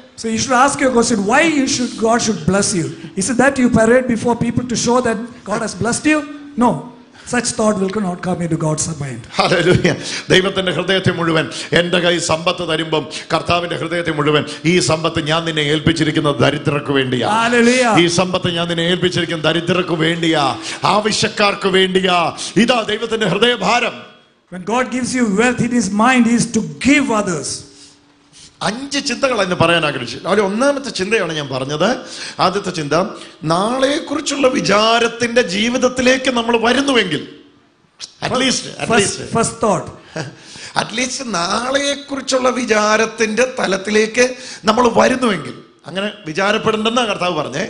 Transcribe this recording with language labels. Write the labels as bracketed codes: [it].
[en] So you should ask your question, why you should God should bless you? Is it that you parade before people to show that God has blessed you? No. Such thought will not come into God's mind. Hallelujah. [ml] ദൈവത്തിന്റെ ഹൃദയത്തെ മുഴുവൻ എന്റെ കൈ സമ്പത്ത് തരുമ്പം കർത്താവിന്റെ ഹൃദയത്തെ മുഴുവൻ ഈ സമ്പത്ത് ഞാൻ നിന്നെ ഏൽപ്പിച്ചിരിക്കുന്ന ദരിദ്രർക്ക് വേണ്ടിയാ. [en] Hallelujah. [ml] ഈ സമ്പത്ത് ഞാൻ നിന്നെ ഏൽപ്പിച്ചിരിക്കുന്ന ദരിദ്രർക്ക് വേണ്ടിയാ, ആവശ്യക്കാർക്ക് വേണ്ടിയാ. ഇതാ ദൈവത്തിന്റെ ഹൃദയഭാരം. [en] When God gives you wealth, in his mind is to give others. [ml] 5 ചിന്തകളാണ് ഇന്ന് പറയാൻ ആഗ്രഹിച്ചത്. അവർ 1-ാമത്തെ ചിന്തയാണ് ഞാൻ പറഞ്ഞത്. ആദ്യത്തെ ചിന്ത, നാളെ കുറിച്ചുള്ള വിചാരത്തിന്റെ ജീവിതത്തിലേക്ക് നമ്മൾ വരുന്നുവെങ്കിൽ, അറ്റ്ലീസ്റ്റ് നാളെ കുറിച്ചുള്ള വിചാരത്തിന്റെ തലത്തിലേക്ക് നമ്മൾ വരുന്നുവെങ്കിൽ, അങ്ങനെ വിചാരപ്പെടണ്ടെന്ന് കർത്താവ് പറഞ്ഞേ.